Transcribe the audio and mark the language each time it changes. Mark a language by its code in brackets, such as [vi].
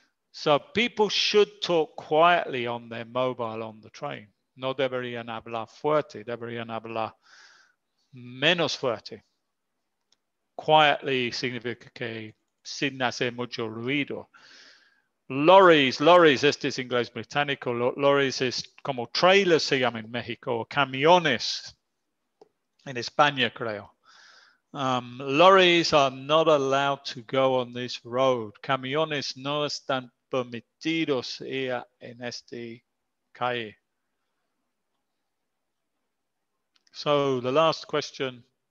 [en] So people should talk quietly on their mobile on the train. [es] No deberían hablar fuerte, deberían hablar menos fuerte. Quietly significa que sin hacer mucho ruido. Lorries, este es inglés británico. Lorries es como trailers se llama en México, o camiones en España, creo. [en] Lorries are not allowed to go on this road. [es] Camiones no están permitidos ir en este calle. [en] So, the last question.